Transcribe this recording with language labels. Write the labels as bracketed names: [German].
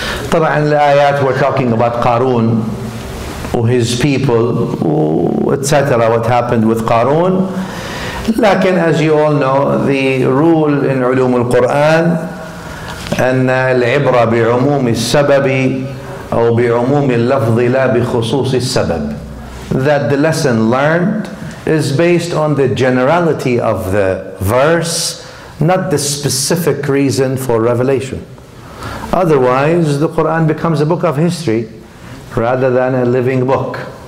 [Arabic] طبعا الآيات [English] we're talking about قارون his people, etc. What happened with قارون. [Arabic] لكن [English] as you all know, the rule in [Arabic] علوم القرآن أن العبرة بعموم السبب أو بعموم اللفظ لا بخصوص السبب. [English] That the lesson learned is based on the generality of the verse, not the specific reason for revelation. Otherwise, the Quran becomes a book of history rather than a living book.